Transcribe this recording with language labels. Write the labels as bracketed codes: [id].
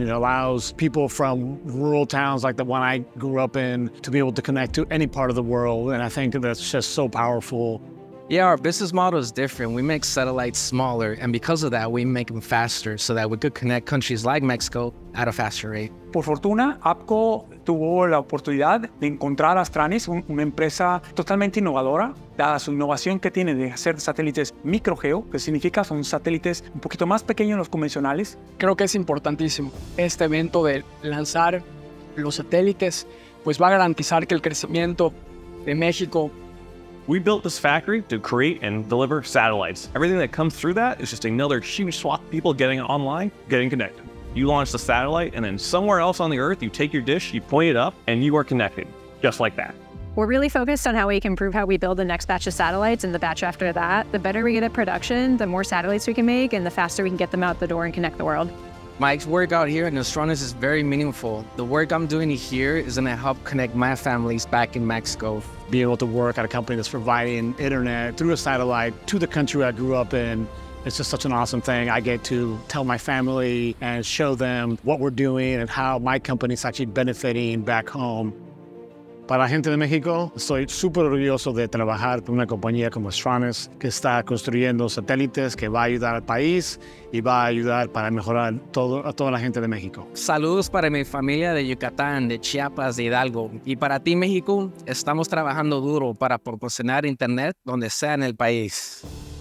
[en] It allows people from rural towns like the one I grew up in to be able to connect to any part of the world. And I think that's just so powerful. Yeah, our business model is different. We make satellites smaller, and because of that, we make them faster so that we could connect countries like Mexico at a faster rate. [es] Por fortuna, APCO tuvo la oportunidad de encontrar a Astranis, una empresa totalmente innovadora, dada su innovación que tiene de hacer satélites MicroGEO, que significa son satélites un poquito más pequeños de los convencionales. Creo que es importantísimo este evento de lanzar los satélites, pues va a garantizar que el crecimiento de México. [en] We built this factory to create and deliver satellites. Everything that comes through that is just another huge swath of people getting online, getting connected. You launch the satellite, and then somewhere else on the earth, you take your dish, you point it up, and you are connected, just like that. We're really focused on how we can improve how we build the next batch of satellites and the batch after that. The better we get at production, the more satellites we can make, and the faster we can get them out the door and connect the world. My work out here in Astranis is very meaningful. The work I'm doing here is going to help connect my families back in Mexico. Being able to work at a company that's providing internet through a satellite to the country I grew up in, it's just such an awesome thing. I get to tell my family and show them what we're doing and how my company is actually benefiting back home. [es] Para la gente de México, estoy súper orgulloso de trabajar con una compañía como Astranis que está construyendo satélites que va a ayudar al país y va a ayudar para mejorar todo, a toda la gente de México. Saludos para mi familia de Yucatán, de Chiapas, de Hidalgo. Y para ti, México, estamos trabajando duro para proporcionar internet donde sea en el país.